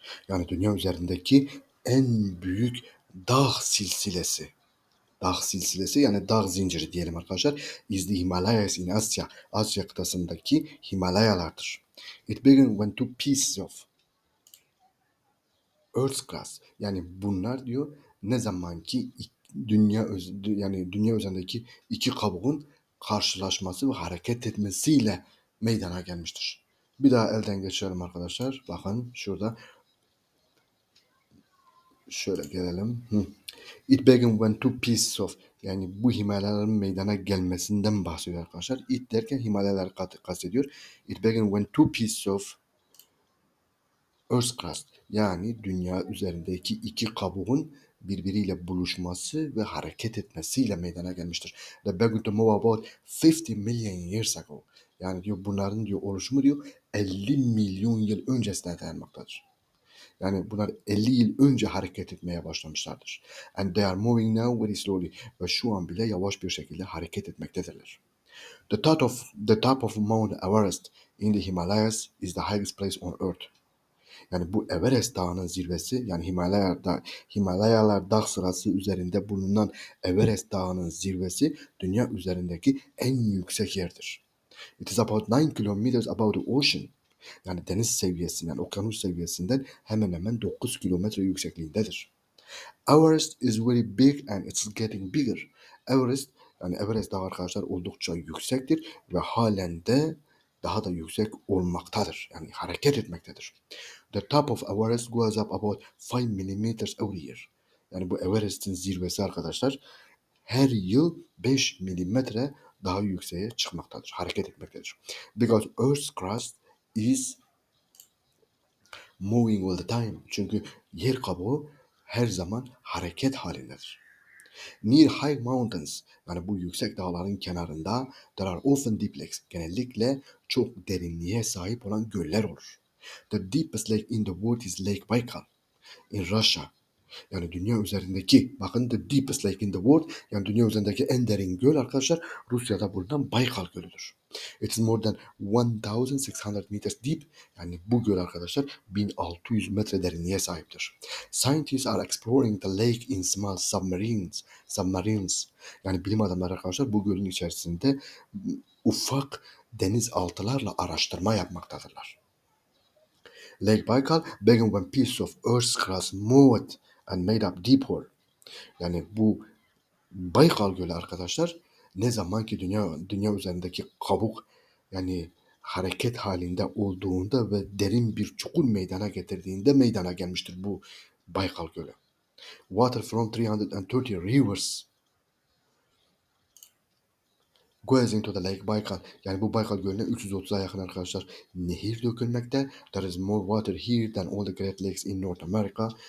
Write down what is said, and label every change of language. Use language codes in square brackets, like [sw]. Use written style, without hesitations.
[tr] Yani dünya üzerindeki en büyük dağ silsilesi. Dağ silsilesi yani dağ zinciri diyelim arkadaşlar. [en] Is the Himalayas in Asia. [tr] Asya kıtasındaki Himalayalardır. [en] It began when two pieces of Earth's crust. [tr] Yani bunlar diyor ne zaman ki dünya üzerindeki iki kabuğun karşılaşması ve hareket etmesiyle meydana gelmiştir. Bir daha elden geçiyorum arkadaşlar. Bakın şurada şöyle gelelim. [en] It began when two pieces of [tr] yani bu Himalayaların meydana gelmesinden bahsediyor arkadaşlar. It derken Himalayaları kastediyor. [en] It began when two pieces of Earth's crust [tr] yani dünya üzerindeki iki kabuğun birbiriyle buluşması ve hareket etmesiyle meydana gelmiştir. [en] The began to move about 50 million years ago. [tr] Yani diyor bunların diyor oluşumu diyor 50 milyon yıl öncesine dayanmaktadır. Yani bunlar 50 yıl önce hareket etmeye başlamışlardır. [en] And they are moving now very slowly. [tr] Ve şu an bile yavaş bir şekilde hareket etmektedirler. [en] The top of Mount Everest in the Himalayas is the highest place on earth. [tr] Yani bu Everest Dağı'nın zirvesi yani Himalayalar dağ sırası üzerinde bulunan Everest Dağı'nın zirvesi dünya üzerindeki en yüksek yerdir. [en] It is about 9 kilometers above the ocean. [tr] Yani deniz seviyesinden, yani okyanus seviyesinden hemen hemen 9 kilometre yüksekliğindedir. [en] Everest is very big and it's getting bigger. [tr] Everest Dağı arkadaşlar oldukça yüksektir ve halen de daha da yüksek olmaktadır. Yani hareket etmektedir. [en] The top of Everest goes up about 5 mm every year. [tr] Yani bu Everest'in zirvesi arkadaşlar her yıl 5 mm daha yükseğe çıkmaktadır. Hareket etmektedir. [en] Because Earth's crust is moving all the time. [tr] Çünkü yer kabuğu her zaman hareket halindedir. [en] Near high mountains, [tr] yani bu yüksek dağların kenarında, [en] there are often deep lakes, [tr] genellikle çok derinliğe sahip olan göller olur. [en] The deepest lake in the world is Lake Baikal in Russia. [tr] Yani dünya üzerindeki, bakın [en] the deepest lake in the world, [tr] yani dünya üzerindeki en derin göl arkadaşlar, Rusya'da bulunan Baykal gölüdür. [en] It is more than 1600 meters deep. [tr] Yani bu göl arkadaşlar 1600 metre derinliğe sahiptir. [en] Scientists are exploring the lake in small submarines. [tr] Yani bilim adamları arkadaşlar bu gölün içerisinde ufak denizaltılarla araştırma yapmaktadırlar. [en] Lake Baikal began when pieces of Earth's crust moved and made up deep hole. [tr] Yani bu Baykal Gölü arkadaşlar ne zaman ki dünya üzerindeki kabuk yani hareket halinde olduğunda ve derin bir çukur meydana getirdiğinde meydana gelmiştir bu Baykal Gölü. [en] Water from 330 rivers goes into the Lake Baikal. [tr] Yani bu Baykal Gölü'ne 330'a yakın arkadaşlar nehir dökülmekte. [en] There is more water here than all the Great Lakes in North America.